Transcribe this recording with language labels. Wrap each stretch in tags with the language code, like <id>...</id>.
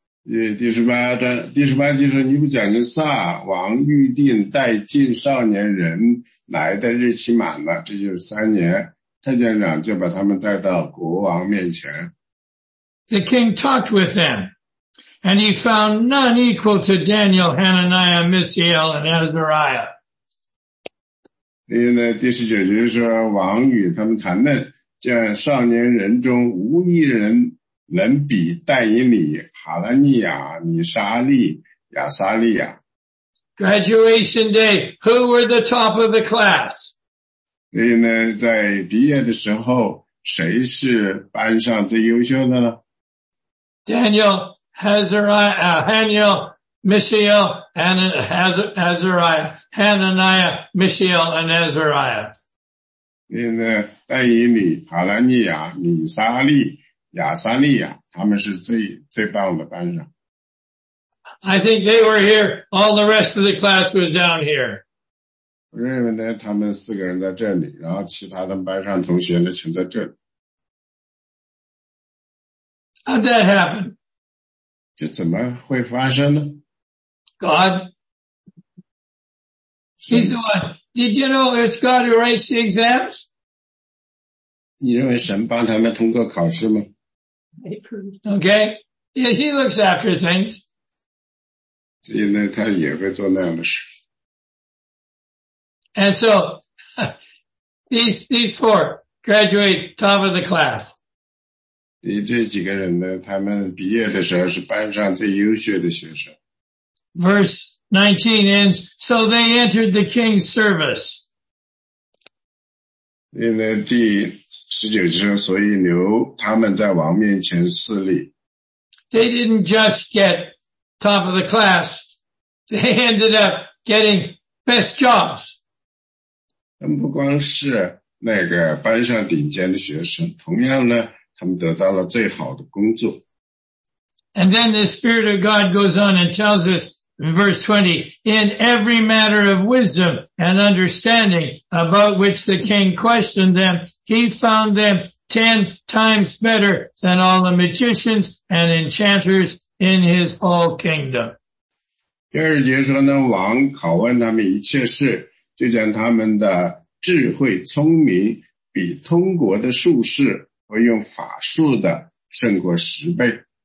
<zh>第十八节说，尼布甲尼撒王预定带进少年人来的日期满了，这就是三年，太监长就把他们带到国王面前。</zh> <en>The king talked with them, and he found none equal to Daniel, Hananiah, Mishael, and Azariah.</en> <zh>因为呢，第十九节就是说，王与他们谈论，见少年人中无一人能比但以理、哈拉尼亚、米沙利、亚撒利亚。</zh> <en>Graduation day, who were the top of the class?</en> <zh>所以呢，在毕业的时候，谁是班上最优秀的呢</zh> <en>？Daniel, Hazariah, Daniel, Mishael, and Azariah. Hananiah, Mishael, and Azariah.</en> <zh>但以理、哈拉尼亚、米撒利、亚撒利亚，他们是最棒的班上。</zh> <en>I think they were here. All the rest of the class was down here.</en> <zh>我认为呢，他们四个人在这里，然后其他的班上同学呢，全在这里。</zh> <en>How'd that happen?</en> <zh>就怎么会发生呢</zh> <en>？God. He's the one. Did you know it's God who writes the exams?</en> <zh>你认为神帮他们通过考试吗</zh> <en>？Okay. Yeah, he looks after things.</en> <zh>所以呢，他也会做那样的事。</zh> <en>And so, these four graduate top of the class.</en> <zh>你这几个人呢，他们毕业的时候是班上最优秀的学生。</zh> <en>Verse. 19 ends, so they entered the king's service.</en> <zh>因为第19节，所以留他们在王面前侍立。</zh> <en>They didn't just get top of the class. They ended up getting best jobs.</en> <zh>他们不光是那个班上顶尖的学生，同样呢，他们得到了最好的工作。</zh> <en>And then the Spirit of God goes on and tells us,In verse 20, in every matter of wisdom and understanding about which the king questioned them, he found them 10 times better than all the magicians and enchanters in his whole kingdom.</en> <zh>第二节说呢，王拷问他们一切事，就将他们的智慧、聪明、比通国的术士和用法术的胜过十倍。</zh>